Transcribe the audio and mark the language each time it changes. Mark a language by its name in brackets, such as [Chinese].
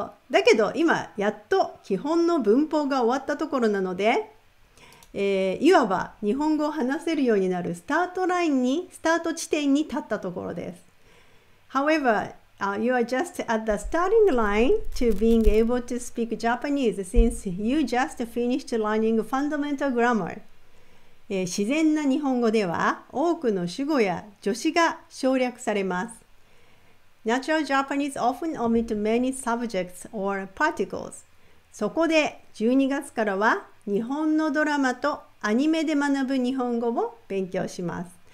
[Japanese] だけど今やっと基本の文法が終わったところなので、いわば日本語を話せるようになるスタート地点に立ったところです。 [English] However, you are just at the starting line to being able to speak Japanese since you just finished learning fundamental grammar. [Japanese] 自然な日本語では多くの主語や助詞が省略されます。 [English] Natural Japanese often omit many subjects or particles. [Japanese] そこで12月からは日本のドラマとアニメで学ぶ日本語を勉強します。